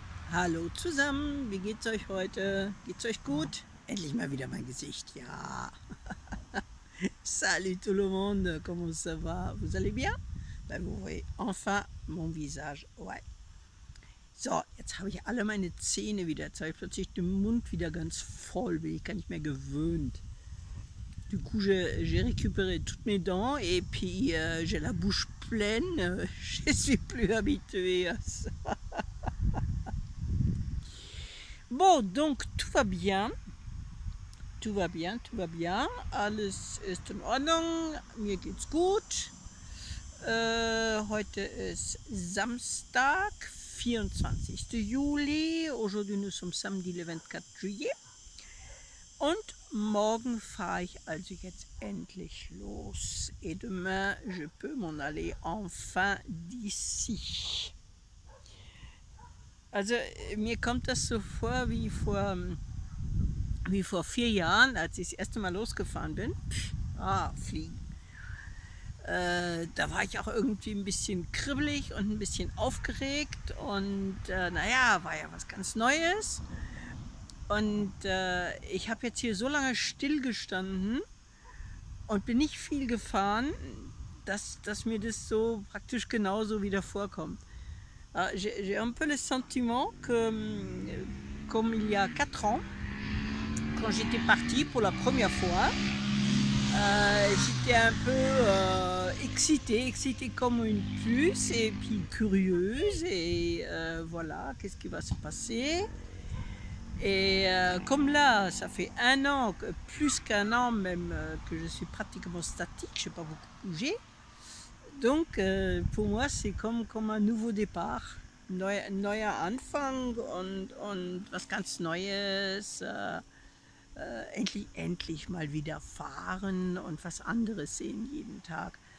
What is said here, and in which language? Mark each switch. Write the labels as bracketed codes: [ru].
[de] Hallo zusammen, wie geht's euch heute? Geht's euch gut? Endlich mal wieder mein Gesicht, ja. [fr] Salut tout le monde, comment ça va? Vous allez bien? Ben, vous voyez, enfin mon visage, ouais. [de] So, jetzt habe ich alle meine Zähne wieder. Jetzt habe ich plötzlich den Mund wieder ganz voll, bin ich gar nicht mehr gewöhnt. [fr] Du coup, j'ai récupéré toutes mes dents et puis j'ai la bouche pleine. Je suis plus habitué à ça. Bon, donc tout va bien. Tout va bien, tout va bien. [de] Alles ist in Ordnung. Mir geht's gut. Heute ist Samstag, 24. Juli. [fr] Aujourd'hui nous sommes samedi le 24 juillet. [de] Und morgen fahre ich also jetzt endlich los. [fr] Et demain, je peux m'en aller enfin d'ici. [de] Also, mir kommt das so vor wie vor 4 Jahren, als ich das erste Mal losgefahren bin. Pff, fliegen. Da war ich auch irgendwie ein bisschen kribbelig und ein bisschen aufgeregt. Und war ja was ganz Neues. Und ich habe jetzt hier so lange stillgestanden und bin nicht viel gefahren, dass mir das so praktisch genauso wieder vorkommt. [fr] J'ai un peu le sentiment que, comme il y a 4 ans, quand j'étais partie pour la première fois, j'étais un peu excitée comme une puce et puis curieuse et voilà, qu'est-ce qui va se passer? Et comme là, ça fait un an, plus qu'un an même, que je suis pratiquement statique, je n'ai pas beaucoup bougé. Donc, pour moi, c'est comme un nouveau départ, [de] neuer Anfang und was ganz Neues. Endlich mal wieder fahren und was anderes sehen jeden Tag.